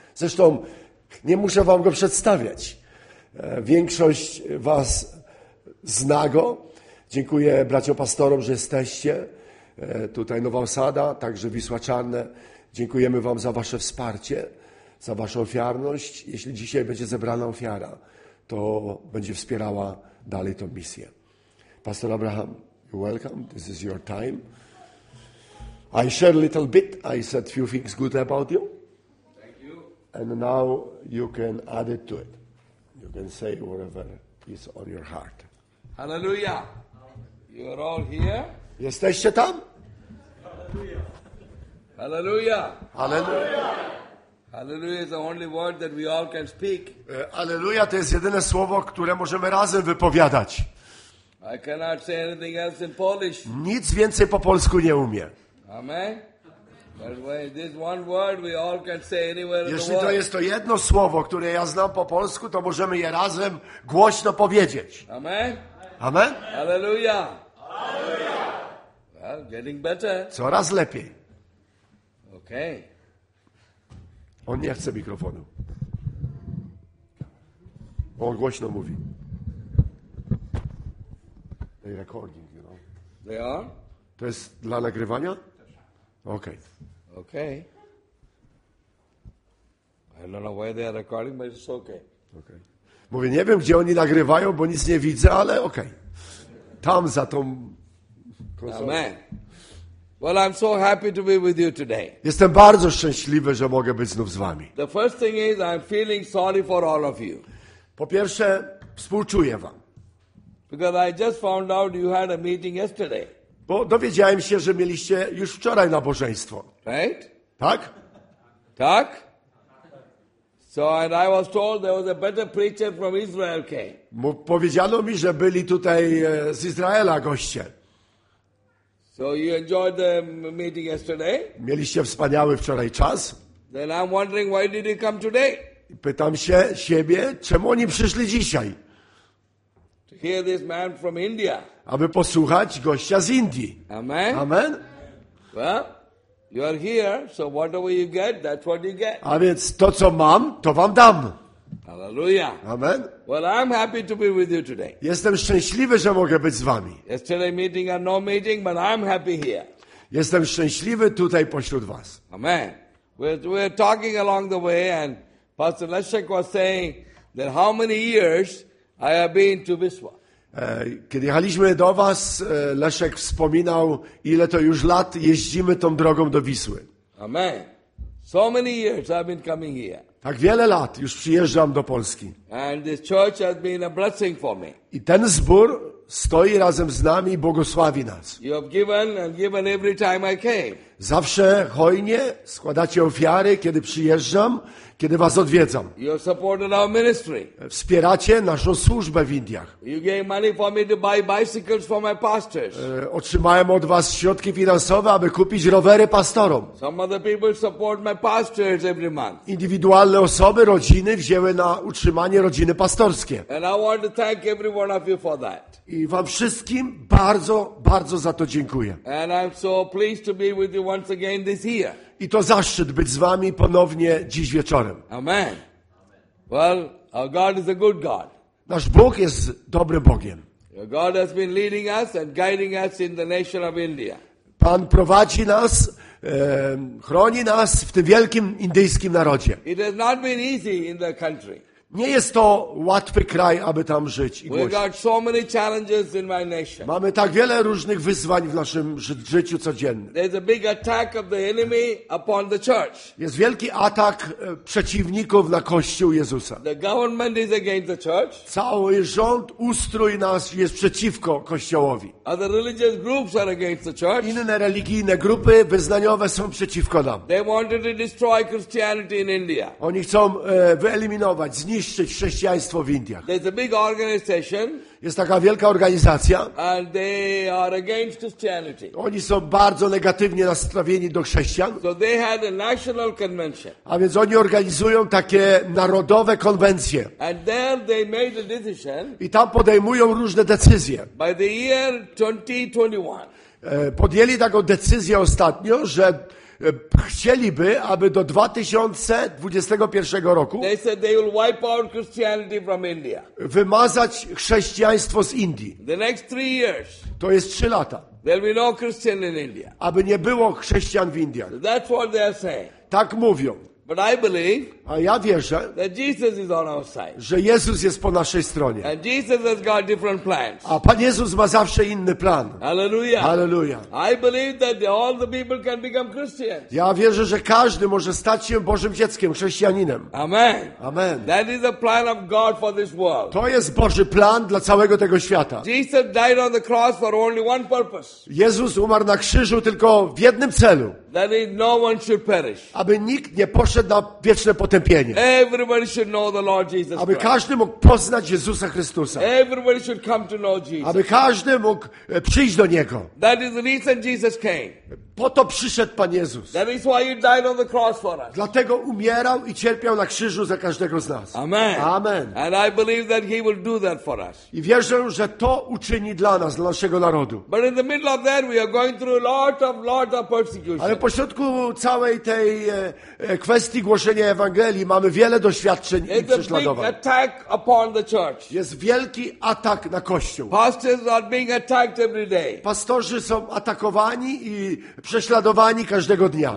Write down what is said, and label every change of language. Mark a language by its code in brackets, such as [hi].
[pl] Zresztą nie muszę wam go przedstawiać. Większość was zna go. Dziękuję braciom pastorom, że jesteście. Tutaj Nowa Osada, także Wisła Czarne. Dziękujemy wam za wasze wsparcie, za waszą ofiarność. Jeśli dzisiaj będzie zebrana ofiara, to będzie wspierała dalej tą misję. [en] Pastor Abraham, you're welcome. This is your time. I share a little bit. I said few things good about you. Thank you. And now you can add it to it. You can say whatever is on your heart. Hallelujah. You are all here? [pl] Jesteście tam? [en] Hallelujah. Hallelujah. Hallelujah. Hallelujah is the only word that we all can speak. [pl] Hallelujah to jest jedyne słowo, które możemy razem wypowiadać. [en] I cannot say anything else in Polish. [pl] Nic więcej po polsku nie umiem. Amen. [en] This one word we all can say anywhere. [pl] Jeśli to jest to jedno słowo, które ja znam po polsku, to możemy je razem głośno powiedzieć. Amen. Amen. Hallelujah. Hallelujah. [en] Well, getting better. [pl] Coraz lepiej. Okay. On nie chce mikrofonu. On głośno mówi. [en] They recording, you know. They are? [pl] To jest dla nagrywania? Okay. Okay. [en] I don't know why they are recording, but it's okay. Okay. [pl] Mówię, nie wiem, gdzie oni nagrywają, bo nic nie widzę, ale okej. Okay. Tam za tą konsolą. Amen. [en] Well, I'm so happy to be with you today. [pl] Jestem bardzo szczęśliwy, że mogę być znów z wami. [en] The first thing is I'm feeling sorry for all of you. [pl] Po pierwsze, współczuję wam. [en] Because I just found out you had a meeting yesterday. [pl] Bo dowiedziałem się, że mieliście już wczoraj nabożeństwo. [en] Right? [pl] Tak? Tak? [en] So and I was told there was a better preacher from Israel came. [pl] Powiedziano mi, że byli tutaj z Izraela goście. [en] So you enjoyed the meeting yesterday? [pl] Mieliście wspaniały wczoraj czas. [en] Then I'm wondering why did he come today? [pl] Pytam się siebie, czemu oni przyszli dzisiaj? [en] To hear this man from India. [pl] Aby posłuchać gościa z Indii. Amen. Amen. [en] Well, you are here, so whatever you get, that's what you get. [pl] A więc to co mam, to wam dam. Hallelujah. Amen. [en] Well, I'm happy to be with you today. [pl] Jestem szczęśliwy, że mogę być z wami. [en] Yesterday meeting or no meeting, but I'm happy here. [pl] Jestem szczęśliwy tutaj pośród was. Amen. [en] We're talking along the way, and Pastor Leszek was saying that how many years I have been to Wisła. [pl] Kiedy jechaliśmy do was, Leszek wspominał, ile to już lat jeździmy tą drogą do Wisły. Amen. [en] So many years I've been coming here. [pl] Tak wiele lat już przyjeżdżam do Polski. [en] And this church has been a blessing for me. [pl] I ten zbór stoi razem z nami i błogosławi nas. [en] You have given and given every time I came. [pl] Zawsze hojnie składacie ofiary, kiedy przyjeżdżam, kiedy was odwiedzam. [en] You have supported our ministry. [pl] Wspieracie naszą służbę w Indiach. [en] You gave money for me to buy bicycles for my pastors. [pl] Otrzymałem od was środki finansowe, aby kupić rowery pastorom. [en] Some other people support my pastors every month. [pl] Indywidualne osoby, rodziny wzięły na utrzymanie rodziny pastorskie. [en] And I want to thank every one of you for that. [pl] I wam wszystkim bardzo, bardzo za to dziękuję. [en] And I'm so pleased to be with you once again this year. [pl] I to zaszczyt być z wami ponownie dziś wieczorem. Amen. [en] Well, our God is a good God. [pl] Nasz Bóg jest dobrym Bogiem. [en] God has been leading us and guiding us in the nation of India. [pl] Pan prowadzi nas, chroni nas w tym wielkim indyjskim narodzie. [en] It has not been easy in the country. [pl] Nie jest to łatwy kraj, aby tam żyć i głosić. [en] We got so many challenges in my nation. [pl] Mamy tak wiele różnych wyzwań w naszym życiu codziennym. [en] There's a big attack of the enemy upon the church. [pl] Jest wielki atak przeciwników na Kościół Jezusa. [en] The government is against the church. [pl] Cały rząd, ustrój nas jest przeciwko Kościołowi. [en] Other religious groups are against the church. [pl] Inne religijne grupy wyznaniowe są przeciwko nam. [en] They wanted to destroy Christianity in India. [pl] Oni chcą wyeliminować, zniszczyć chrześcijaństwo w Indiach. [en] There's a big organization. [pl] Jest taka wielka organizacja. [en] And they are against Christianity. [pl] Oni są bardzo negatywnie nastawieni do chrześcijan. [en] So they had a national convention. [pl] A więc oni organizują takie narodowe konwencje. [en] And there they made a decision. [pl] I tam podejmują różne decyzje. [en] By the year 2021. [pl] Podjęli taką decyzję ostatnio, że chcieliby, aby do 2021 roku [en] they said they will wipe out Christianity from India. [pl] Wymazać chrześcijaństwo z Indii. [en] The next three years, [pl] to jest 3 lata. [en] There'll be no Christian in India. [pl] Aby nie było chrześcijan w Indiach. [en] So that's what they are saying. [pl] Tak mówią. [en] But I believe, [pl] a ja wierzę, [en] that Jesus is on our side. [pl] Że Jezus jest po naszej stronie. [en] And Jesus has got different plans. [pl] A Pan Jezus ma zawsze inny plan. Hallelujah. Hallelujah. [en] I believe that all the people can become Christians. [pl] Ja wierzę, że każdy może stać się Bożym dzieckiem, chrześcijaninem. Amen. Amen. [en] That is the plan of God for this world. [pl] To jest Boży plan dla całego tego świata. [en] Jesus died on the cross for only one purpose. [pl] Jezus umarł na krzyżu tylko w jednym celu. [en] That is no one should perish. [pl] Aby nikt nie poszedł na wieczne potępienie. [en] Everybody should know the Lord Jesus Christ. [pl] Aby każdy mógł poznać Jezusa Chrystusa. [en] Everybody should come to know Jesus. [pl] Aby każdy mógł przyjść do Niego. [en] That is the reason Jesus came. [pl] Po to przyszedł Pan Jezus. [en] That is why you died on the cross for us. [pl] Dlatego umierał i cierpiał na krzyżu za każdego z nas. Amen. Amen. [en] And I believe that he will do that for us. [pl] I wierzę, że to uczyni dla nas, dla naszego narodu. [en] But in the middle of that we are going through a lot of persecution. [pl] Ale pośrodku całej tej kwestii głoszenia Ewangelii mamy wiele doświadczeń [en] It's [pl] i prześladowań. [en] A big attack upon the church. [pl] Jest wielki atak na Kościół. [en] Pastors are being attacked every day. [pl] Pastorzy są atakowani i prześladowani każdego dnia.